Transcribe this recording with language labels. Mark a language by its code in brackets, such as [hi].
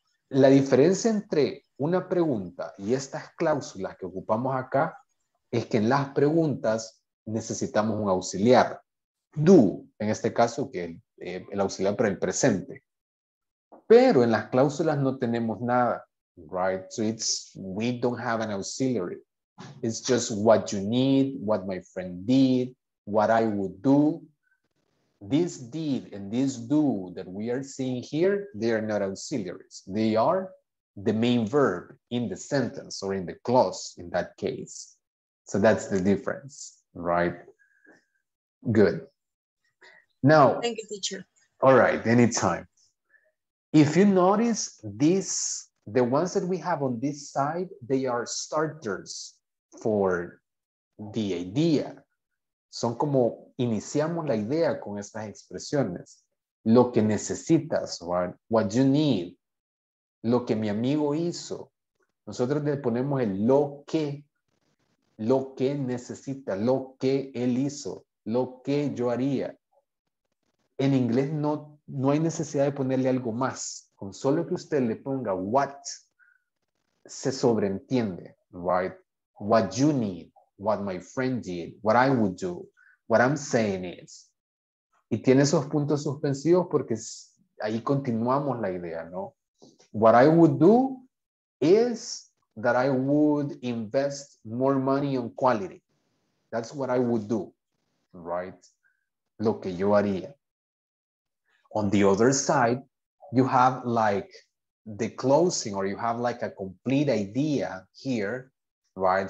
[es] La diferencia entre una pregunta y estas cláusulas que ocupamos acá es que en las preguntas necesitamos un auxiliar. Do, en este caso, que el auxiliar para el presente. Pero en las cláusulas no tenemos nada, right? [en] So it's, we don't have an auxiliary. It's just what you need, what my friend did, what I would do. This did and this do that we are seeing here, they are not auxiliaries. They are the main verb in the sentence or in the clause in that case. So that's the difference, right? Good. Now, thank you, teacher. All right, anytime. If you notice this, the ones that we have on this side, they are starters for the idea. [es] Son como iniciamos la idea con estas expresiones. Lo que necesitas, right? [en] What you need. [es] Lo que mi amigo hizo. Nosotros le ponemos el lo que necesita, lo que él hizo, lo que yo haría. En inglés no hay necesidad de ponerle algo más. Con solo que usted le ponga what, se sobreentiende, right? [en] What you need, what my friend did, what I would do, what I'm saying is. [es] Y tiene esos puntos suspensivos porque ahí continuamos la idea, ¿no? [en] What I would do is that I would invest more money on quality. That's what I would do, right? [es] Lo que yo haría. [en] On the other side, you have like the closing, or you have like a complete idea here, right?